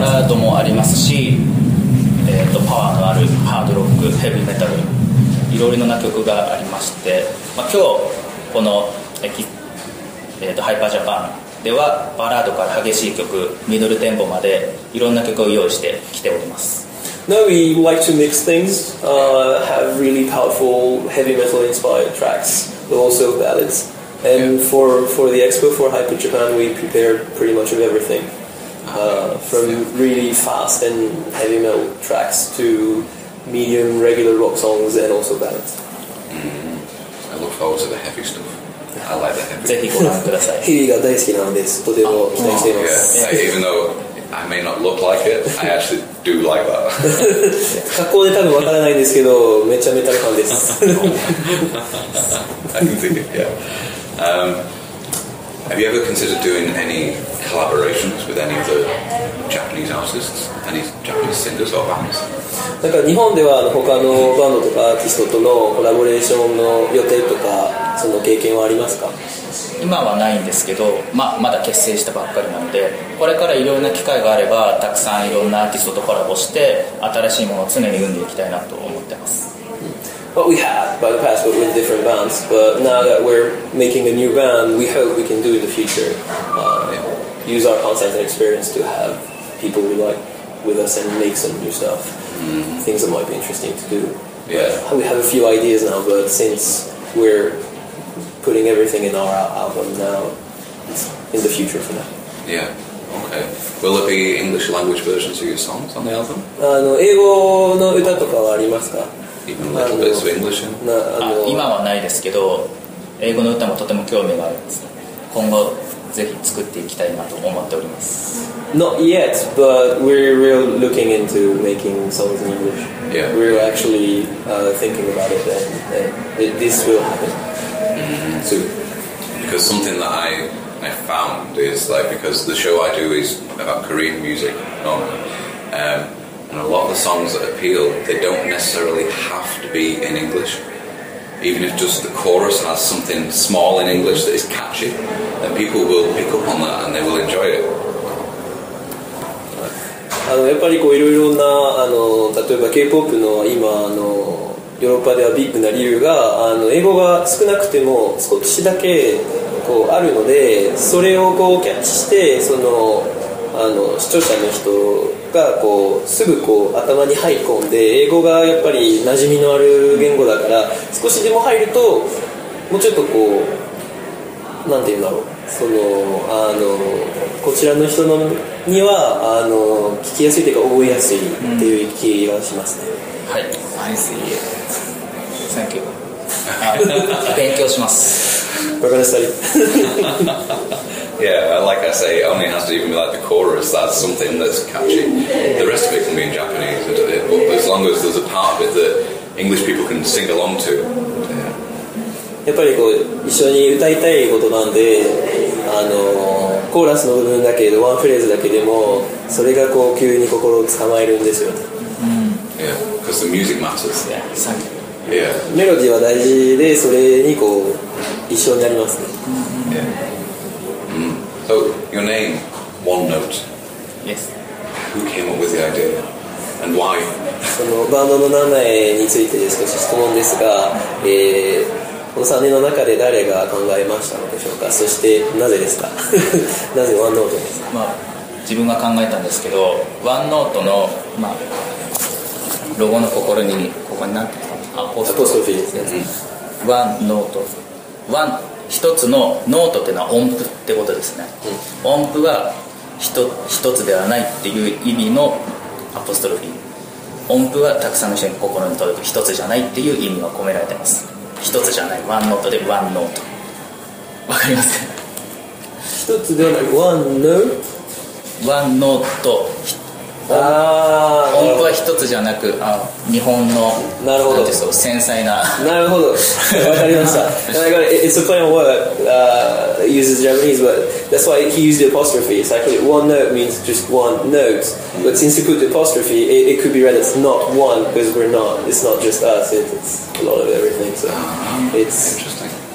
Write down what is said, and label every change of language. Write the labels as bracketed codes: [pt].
[ja] バラードもありますし、パワーのあるハードロック、ヘビーメタルいろいろな曲がありまして、まあ、今日このハイパージャパンではバラードから激しい曲ミドルテンポまでいろんな曲を用意してきております [en] No, we like to mix things, have really powerful heavy metal inspired tracks, but also ballads. And for the expo for Hyper Japan, we prepared pretty much of everything. From really fast and heavy metal tracks to medium, regular rock songs and also ballads. I look forward to the heavy stuff. I like the heavy. [ja] ぜひご覧ください。ヒビが大好きなんです。とても期待しています。 [en] Yeah. Even though I may not look like it, I actually do like that. [ja] 格好で多分わからないんですけど、めちゃめちゃ感です。 [en] I can see it, yeah. Have you ever considered doing any collaborations with any of the Japanese artists, any Japanese singers or bands? [ja] なんか日本では他のバンドとかアーティストとのコラボレーションの予定とかその経験はありますか？今はないんですけど、まあ、まだ結成したばっかりなのでこれからいろんな機会があればたくさんいろんなアーティストとコラボして新しいものを常に生んでいきたいなと思ってます。 [en] But we have, by the past, but with different bands. But now that we're making a new band, we hope we can do in the future. Use our concept and experience to have people we like with us and make some new stuff. Things that might be interesting to do. Yeah. We have a few ideas now, but since we're putting everything in our album now, it's in the future for now. Yeah. Okay. Will there be English language versions of your songs on the album? [ja] 英語の歌とかはありますか? [en] Even little bits of English? [ja] 今はないですけど、英語の歌もとても興味があります。今後、ぜひ作っていきたいなと思っております。 [en] Not yet, but we're really looking into making songs in English. Yeah. We're actually thinking about it, and this will happen soon. Because something that I found is like because the show I do is about Korean music normally, and a lot of the songs that appeal they don't necessarily have to be in English. Even if just the chorus has something small in English that is catchy, then people will pick up on that and they will enjoy it. [ja] あのやっぱりこういろいろなあの例えば K-POP の今あのヨーロッパではビッグな理由があの英語が少なくても少しだけこうあるのでそれをこうキャッチしてそのあの視聴者の人がこうすぐこう頭に入り込んで英語がやっぱり馴染みのある言語だから少しでも入るともうちょっとこうなんて言うんだろうそのあのこちらの人のにはあの聞きやすいというか覚えやすいっていう気がしますね、はい、 [en] I see Thank you [ja] 勉強します [en] We're gonna study. Yeah, like I say, it only has to even be like the chorus. That's something that's catchy. The rest of it can be in Japanese, isn't it? But as long as there's a part of it that English people can sing along to. Yeah. [ja] やっぱりこう一緒に歌いたいことなんで、あのコーラスの部分だけでワンフレーズだけでもそれがこう急に心を捕まえるんですよ。 [en] Yeah, because the music matters. Yeah, thank you. Yeah. [ja] メロディーは大事でそれにこう一緒になりますね。 [en] Yeah. Mm. So your name, One Note. Yes. Who came up with the idea and why? [ja] そのバンドの名前について少し質問ですが、この3人の中で誰が考えましたのでしょうか。そしてなぜですか。なぜ One Note ですか。まあ自分が考えたんですけど、One Note のまあロゴの心にここになって。アポストロフィーですね、うん、ワンノートワン一つのノートっていうのは音符ってことですね、うん、音符は一つではないっていう意味のアポストロフィー音符はたくさんの人に心に届く一つじゃないっていう意味が込められてます。一つじゃない、ワンノートで、ワンノート、わかりますか？一つではない、ワンノート、ワンノート。あー、音符は一つじゃなく、あ、日本の、なるほど、そう、繊細な、なるほど、わかりました。 [en] It's a play on word、uses Japanese, but that's why he used the apostrophe. It's like one note means just one note, but since he put the apostrophe, it could be read as not one, because we're not, it's not just us, it's a lot of everything, so it's interesting.